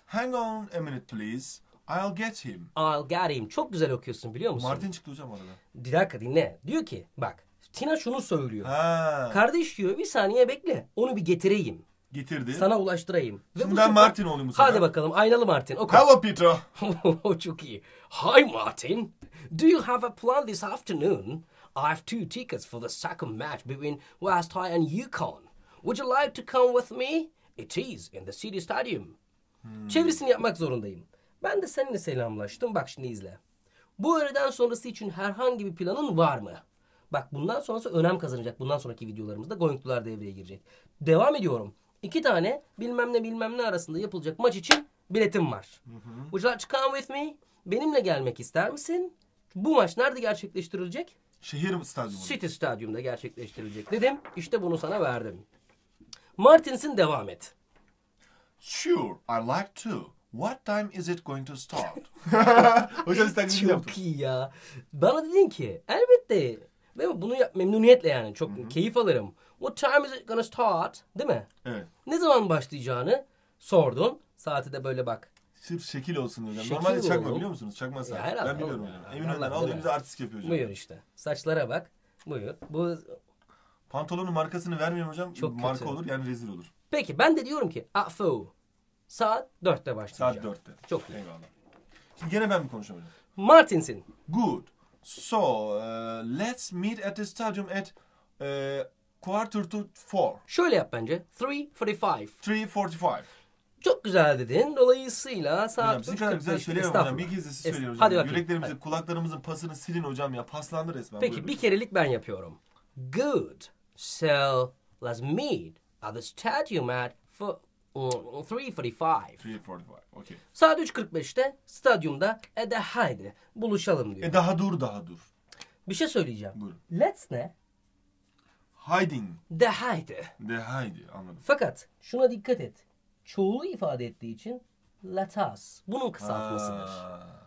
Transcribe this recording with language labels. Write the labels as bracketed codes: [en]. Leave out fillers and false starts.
[en] Hang on a minute please. I'll get him. I'll get him. [tr] Çok güzel okuyorsun biliyor musun? Martin çıktı hocam arada. Bir dakika dinle. Diyor ki bak Tina şunu söylüyor. Ha. Kardeş diyor bir saniye bekle. Onu bir getireyim. Getirdi. Sana ulaştırayım. Şimdi ve bu ben Martin olayım bu sefer. Hadi bakalım aynalı Martin. Oku. [en] Hello Peter. [tr] Çok iyi. [en] Hi Martin. Do you have a plan this afternoon? I have 2 tickets for the second match between West High and UConn. Would you like to come with me? It is in the city stadium. Hmm. [tr] Çevirisini yapmak zorundayım. Ben de seninle selamlaştım. Bak şimdi izle. Bu öğleden sonrası için herhangi bir planın var mı? Bak bundan sonrası önem kazanacak. Bundan sonraki videolarımızda Goinklular devreye girecek. Devam ediyorum. 2 tane bilmem ne bilmem ne arasında yapılacak maç için biletim var. [en] Would you like to come with me? [tr] Benimle gelmek ister misin? Bu maç nerede gerçekleştirilecek? Şehir stadyumu. City stadyumda gerçekleştirilecek dedim. İşte bunu sana verdim. Martins'in devam et. [en] Sure, I'd like to. What time is it going to start? [tr] Hocam sen çok yaptım. İyi ya. Bana dedin ki elbette. Ve bunu memnuniyetle yani çok keyif alırım. [en] What time is it going to start? [tr] Değil mi? Evet. Ne zaman başlayacağını sordun. Saati de böyle bak. Sırf şekil olsun hocam. Şekil normalde çakma oğlum. Biliyor musunuz? Çakma saat. Ben biliyorum. Yani. Emin olun alayım bize artistik yapıyor hocam. Buyur işte. Saçlara bak. Buyur. Bu pantolonun markasını vermiyorum hocam. Çok marka kötü. Olur yani rezil olur. Peki ben de diyorum ki afo. Saat 4'te başlayacak. Saat 4'te. Çok iyi. Eyvallah. Şimdi gene ben mi konuşacağım hocam? Martins'in. [en] Good. So, let's meet at the stadium at quarter to four. [tr] Şöyle yap bence. 3:45. 3:45. Çok güzel dedin. Dolayısıyla saat Hocam sizin kadar güzel söyleyemem hocam. Bir kez de siz söyleyin hocam. Hadi yüreklerimizi, hadi. Kulaklarımızın pasını silin hocam ya. Paslandı resmen. Peki buyurun. Bir kerelik ben yapıyorum. [en] Good. So, let's meet at the stadium at 3:45. [tr] Okay. Saat 3:45'te stadyumda Ede Haydi buluşalım diyor. Daha dur. Bir şey söyleyeceğim. Buyurun. Let's ne? [en] Hiding. [tr] De Haydi anladım. Fakat şuna dikkat et. Çoğulu ifade ettiği için let us. Bunun kısaltmasıdır. Ha.